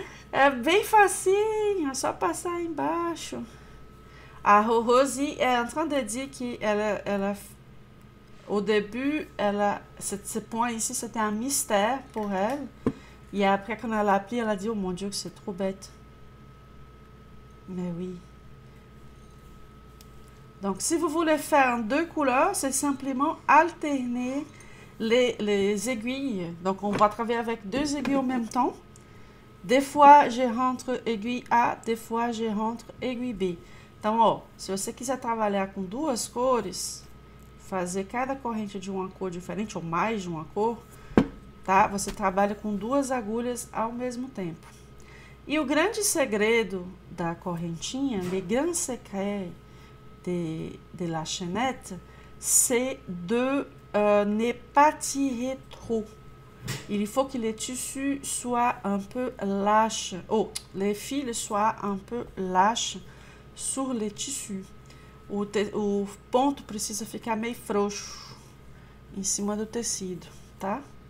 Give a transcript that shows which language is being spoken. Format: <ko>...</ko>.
<pt>É bem facinho, é só passar embaixo.</pt> <fr>A Rosie é em train de dire que ela au début, ela ce point ici, c'était un mystère pour elle. Et après, quand elle a appris, elle a dit: Oh mon Dieu, que c'est trop bête. Mais oui. Donc, si vous voulez faire deux couleurs, c'est simplement alterner les aiguilles. Donc, on va travailler avec deux aiguilles en même temps. Des fois, je rentre aiguille A, des fois, je rentre aiguille B.</fr> <pt>Então, ó, se você quiser trabalhar com duas cores, fazer cada corrente de uma cor diferente, ou mais de uma cor, tá? Você trabalha com duas agulhas ao mesmo tempo. E o grande segredo da correntinha,</pt> <fr>le grand secret de la chaînette, c'est de ne pas tirer trop. Il faut que les tissus soient un peu lâches, oh, les fils soient un peu lâches sur les tissus.</fr> <pt>O ponto precisa ficar meio frouxo em cima do tecido, tá?</pt>